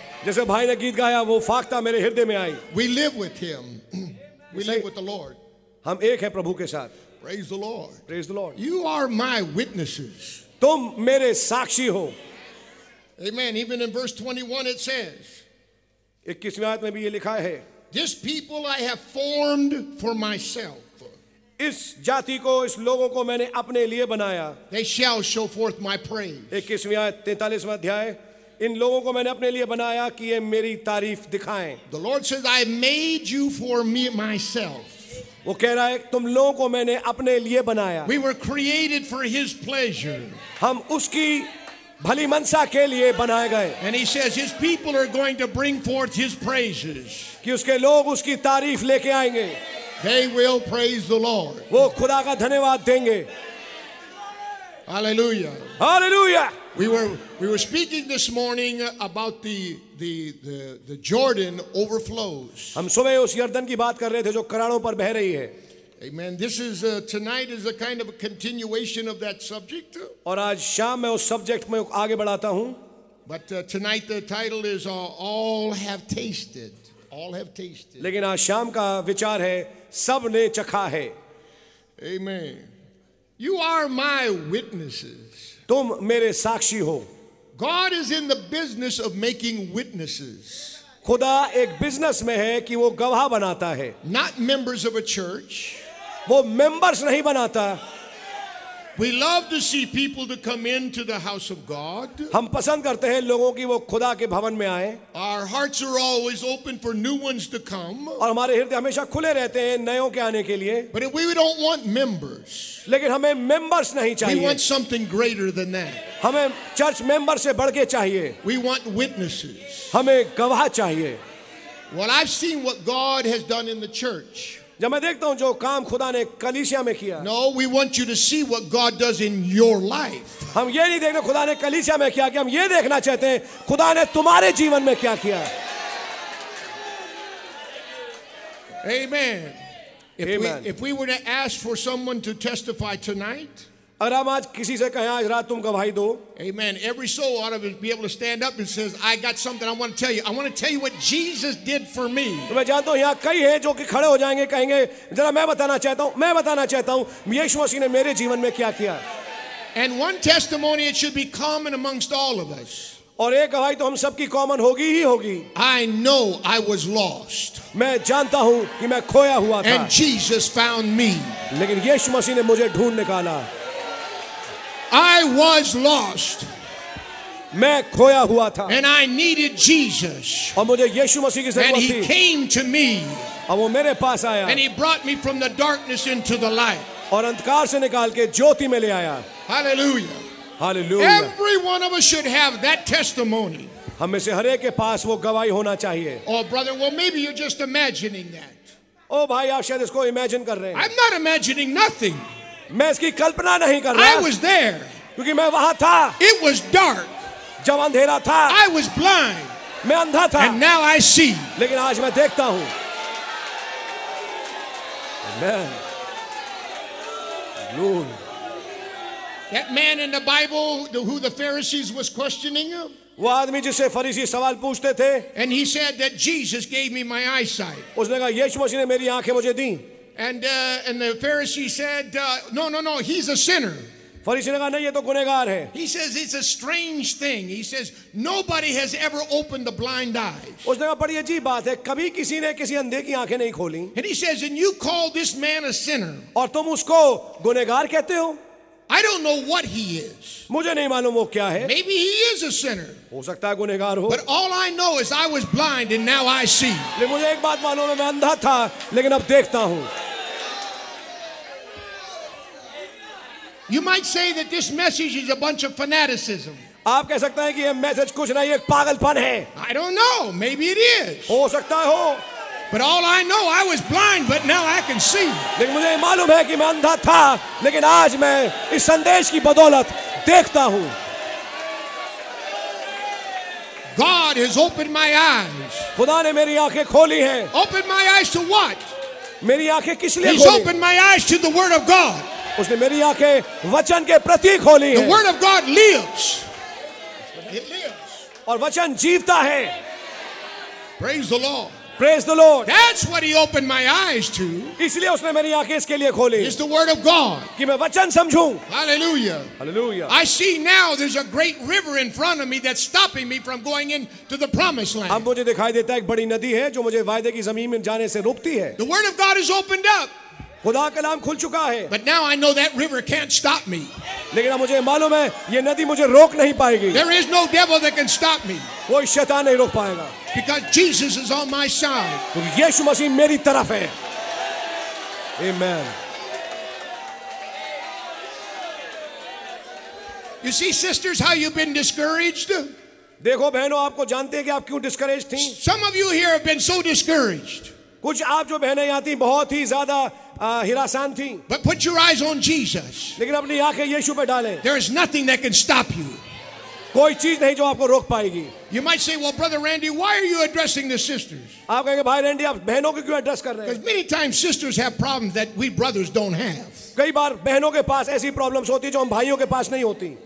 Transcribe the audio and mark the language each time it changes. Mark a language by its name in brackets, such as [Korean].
[Hindi] जैसे भाई ने गीत गाया वो फाख्ता मेरे हृदय में आई. [English] We live with him. We live with the Lord. [Hindi] हम एक हैं प्रभु के साथ. [English] Praise the Lord. Praise the Lord. You are my witnesses. [Hindi] तुम मेरे साक्षी हो. [English] Amen. Even in verse 21 it says. [Hindi] 21वीं आयत में भी ये लिखा है. [English] This people I have formed for myself. [Hindi] इस जाति को इस लोगों को मैंने अपने लिए बनाया. [English] They shall show forth my praise. [Hindi] 21वीं आयत 43वां अध्याय. इन लोगों को मैंने अपने लिए बनाया कि ये मेरी तारीफ दिखाएं. [English] The Lord says I made you for me myself. [Hindi] वो कह रहा है तुम लोगों को मैंने अपने लिए बनाया. [English] We were created for his pleasure. [Hindi] हम उसकी भली मनसा के लिए बनाए गए. [English] And he says his people are going to bring forth his praises. [Hindi] कि उसके लोग उसकी तारीफ लेके आएंगे. [English] They will praise the Lord. [Hindi] वो खुदा का धन्यवाद देंगे. [English] Hallelujah. Hallelujah. We were speaking this morning about the Jordan overflows. [Hindi] हम सुबह उस यर्दन की बात कर रहे थे जो कराड़ों पर बह रही है. [English] Amen. This is tonight is a kind of a continuation of that subject. [Hindi] और आज शाम मैं उस सब्जेक्ट में आगे बढ़ाता हूँ. [English] But tonight the title is All Have Tasted. All have tasted. [Hindi] लेकिन आज शाम का विचार है सब ने चखा है. [English] Amen. You are my witnesses. [Hindi] तुम मेरे साक्षी हो. [English] God is in the business of making witnesses. [Hindi] खुदा एक बिजनेस में है कि वो गवाह बनाता है. [English] Not members of a church. [Hindi] वो मेंबर्स नहीं बनाता. [English] We love to see people to come into the house of God. [Hindi] हम पसंद करते हैं लोगों की वो खुदा के भवन में आएं. [English] Our hearts are always open for new ones to come. [Hindi] और हमारे हृदय हमेशा खुले रहते हैं नयों के आने के लिए. [English] But we don't want members. [Hindi] लेकिन हमें मेंबर्स नहीं चाहिए. [English] We want something greater than that. [Hindi] हमें चर्च मेंबर से बढ़ के चाहिए. [English] We want witnesses. [Hindi] हमें गवाह चाहिए. [English] Well, I've seen what God has done in the church. [Hindi] जब मैं देखता हूँ जो काम खुदा ने कलीसिया में किया. [English] No, we want you to see what God does in your life. [Hindi] हम ये नहीं देखना खुदा ने कलीसिया में किया कि हम ये देखना चाहते हैं खुदा ने तुम्हारे जीवन में क्या किया. [English] Amen. Amen. If we were to ask for someone to testify tonight. [Hindi] अगर हम आज किसी से कहें आज रात तुम गवाही दो. [English] Amen. Every soul ought to be able to stand up and says, I got something I want to tell you. I want to tell you what Jesus did for me. [Hindi] मैं जानता हूँ यहाँ कई हैं जो कि खड़े हो जाएंगे कहेंगे जरा मैं बताना चाहता हूँ यीशु मसीह ने मेरे जीवन में क्या किया. [English] And one testimony it should be common amongst all of us. [Hindi] और एक गवाही तो हम सबकी कॉमन होगी ही होगी. [English] I know I was lost. [Hindi] मैं जानता हूँ कि मैं खोया हुआ था. [English] And Jesus found me. [Hindi] लेकिन यीशु मसीह ने मुझे ढूंढ निकाला. [English] I was lost. [Hindi] मैं खोया हुआ था. [English] And I needed Jesus. [Hindi] और मुझे यीशु मसीह की जरूरत थी. [English] And he came to me. [Hindi] और वो मेरे पास आया. [English] And he brought me from the darkness into the light. [Hindi] और अंधकार से निकाल के ज्योति में ले आया. [English] Hallelujah. Hallelujah. Every one of us should have that testimony. [Hindi] हम में से हर एक के पास वो गवाही होना चाहिए. [English] Oh brother, well maybe you're just imagining that. [Hindi] ओ भाई आप शायद इसको इमेजिन कर रहे हैं. [English] I'm not imagining nothing. [Hindi] मैं इसकी कल्पना नहीं कर रहा. [English] I was there. [Hindi] क्योंकि मैं वहां था. [English] It was dark. [Hindi] जब अंधेरा था. [English] I was blind. [Hindi] मैं अंधा था. [English] And now I see. [Hindi] लेकिन आज मैं देखता हूं. [English] Amen. Lord. That man in the Bible who the Pharisees was questioning him. [Hindi] वो आदमी जिसे फरीसी सवाल पूछते थे. [English] And he said that Jesus gave me my eyesight. [Hindi] उसने कहा यीशु मसीह ने मेरी आंखें मुझे दी. [English] And the Pharisee said, no, he's a sinner. [Hindi] फरीसी ने कहा नहीं ये तो गुनेगार है. [English] He says it's a strange thing. He says nobody has ever opened the blind eyes. [Hindi] उसने कहा बड़ी अजीब बात है कभी किसी ने किसी अंधे की आंखें नहीं खोली. [English] And he says and you call this man a sinner. [Hindi] और तुम उसको गुनेगार कहते हो. [English] I don't know what he is. [Hindi] मुझे नहीं मालूम वो क्या है. [English] Maybe he is a sinner. [Hindi] हो सकता है गुनेगार हो. [English] But all I know is I was blind and now I see. [Hindi] लेकिन मुझे एक बात मालूम है मैं अंधा था लेकिन अब देखता हूँ. [English] You might say that this message is a bunch of fanaticism. [Hindi] आप कह सकते हैं कि ये मैसेज कुछ नहीं एक पागलपन है. [English] I don't know. Maybe it is. [Hindi] हो सकता हो. [English] But all I know, I was blind, but now I can see. [Hindi] लेकिन मुझे मालूम है कि मैं अंधा था लेकिन आज मैं इस संदेश की बदौलत देखता हूँ. [English] God has opened my eyes. [Hindi] खुदा ने मेरी आँखें खोली हैं. [English] Open my eyes to what? [Hindi] मेरी आँखें किस लिए खोली? [English] He's opened my eyes to the Word of God. [Hindi] उसने मेरी आँखें वचन के प्रति खोली हैं. [English] The Word of God lives. It lives. [Hindi] और वचन जीवता है. [English] Praise the Lord. Praise the Lord. That's what he opened my eyes to. [Hindi] इसलिए उसने मेरी आँखें इसके लिए खोली. [English] It's the Word of God. [Hindi] कि मैं वचन समझूं. [English] Hallelujah. Hallelujah. I see now there's a great river in front of me that's stopping me from going into the promised land. [Hindi] अब मुझे दिखाई देता है एक बड़ी नदी है जो मुझे वायदे की ज़मीन में जाने से रोकती है. [English] The Word of God has opened up. [Hindi] खुदा का नाम खुल चुका है. [English] But now I know that river can't stop me. [Hindi] लेकिन अब मुझे मालूम है ये नदी मुझे रोक नहीं पाएगी. [English] There is no devil that can stop me. [Hindi] कोई शैतान नहीं रोक पाएगा. [English] Because Jesus is on my side. [Hindi] यीशु मसीह मेरी तरफ है. Amen. [English] You see, sisters, how you've been discouraged? [Hindi] देखो बहनों आपको जानते हैं कि आप क्यों discouraged थीं? [English] Some of you here have been so discouraged. [Hindi] कुछ आप जो बहनें यहाँ थीं बहुत ही ज़्यादा हिरासान थीं. [English] But put your eyes on Jesus. [Hindi] लेकिन अपनी आँखें यीशु पे डालें. [English] There is nothing that can stop you. [Hindi] कोई चीज नहीं जो आपको रोक पाएगी. [English] You might say, "Well, Brother Randy, why are you addressing the sisters?" [Hindi] आप कहेंगे भाई रैंडी आप बहनों को क्यों एड्रेस कर रहे हैं? [English] Because many times sisters have problems that we brothers don't have. [Hindi] कई बार बहनों के पास ऐसी प्रॉब्लम्स होती जो हम भाइयों के पास नहीं होती.